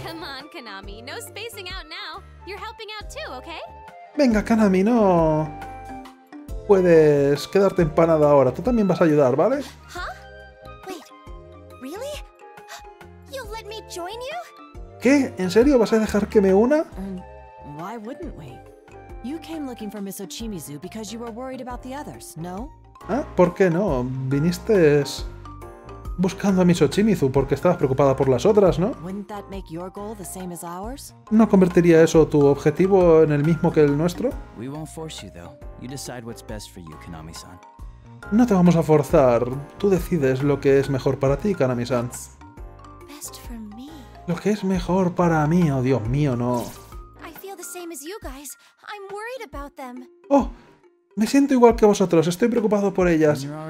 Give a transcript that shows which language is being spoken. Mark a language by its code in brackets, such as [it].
[en] Come on, Kanami, no spacing out now. You're helping out too, okay? [es] Venga, Kanami, no puedes quedarte empanada ahora. Tú también vas a ayudar, ¿vale? [en] Huh? Wait, really? You'll let me join you? [es] ¿Qué? ¿En serio vas a dejar que me una? [en] Why wouldn't we? You came looking for Miss Ochimizu because you were worried about the others, no? [es] ¿Ah? ¿Por qué no? Viniste buscando a Miss Ochimizu porque estabas preocupada por las otras, ¿no? [en] ¿Wouldn't that make your goal the same as ours? [es] ¿No convertiría eso tu objetivo en el mismo que el nuestro? [en] We won't force you, though. You decide what's best for you, Kanami-san. [es] No te vamos a forzar. Tú decides lo que es mejor para ti, Kanami-san. [en] Best for me. [es] Lo que es mejor para mí, oh Dios mío, no. [en] I feel the same as you guys. I'm worried about them. ¡Oh! [es] Me siento igual que vosotros, estoy preocupado por ellas.